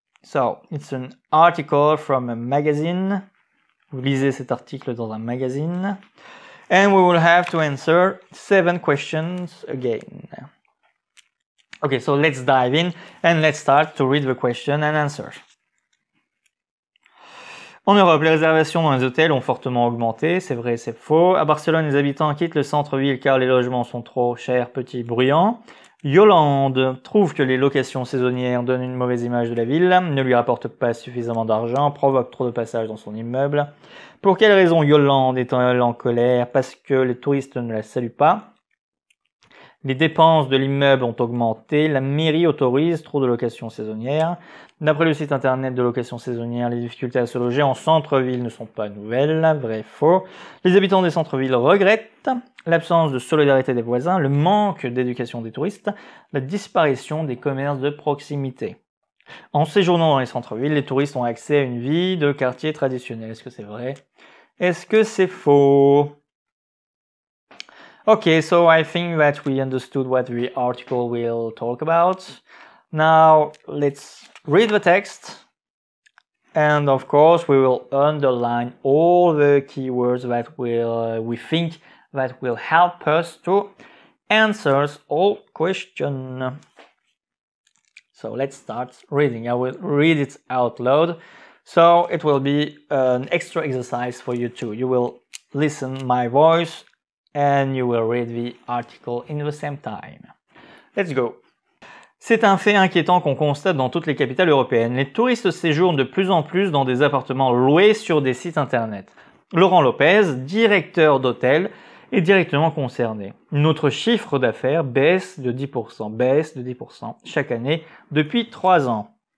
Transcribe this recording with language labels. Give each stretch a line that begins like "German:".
English: So, it's an article from a magazine.
French: Vous lisez cet article dans un magazine.
English: And we will have to answer 7 questions again. Okay, so let's dive in and let's start to read the question and answer.
French: En Europe, les réservations dans les hôtels ont fortement augmenté. C'est vrai, c'est faux. À Barcelone, les habitants quittent le centre-ville car les logements sont trop chers, petits, bruyants. Yolande trouve que les locations saisonnières donnent une mauvaise image de la ville, ne lui rapportent pas suffisamment d'argent, provoquent trop de passages dans son immeuble. Pour quelle raison Yolande est-elle en colère? Parce que les touristes ne la saluent pas. Les dépenses de l'immeuble ont augmenté. La mairie autorise trop de locations saisonnières. D'après le site internet de locations saisonnières, les difficultés à se loger en centre-ville ne sont pas nouvelles. Vrai, faux. Les habitants des centres-villes regrettent l'absence de solidarité des voisins, le manque d'éducation des touristes, la disparition des commerces de proximité. En séjournant dans les centres-villes, les touristes ont accès à une vie de quartier traditionnel. Est-ce que c'est vrai? Est-ce que c'est faux?
English: Okay, so I think that we understood what the article will talk about. Now, let's read the text. And of course, we will underline all the keywords that we think that will help us to answer all questions. So let's start reading. I will read it out loud. So it will be an extra exercise for you too. You will listen my voice. And you will read the article in the same time. Let's go.
French: C'est un fait inquiétant qu'on constate dans toutes les capitales européennes. Les touristes séjournent de plus en plus dans des appartements loués sur des sites internet. Laurent Lopez, directeur d'hôtel, est directement concerné. Notre chiffre d'affaires baisse de 10%, chaque année depuis 3 ans.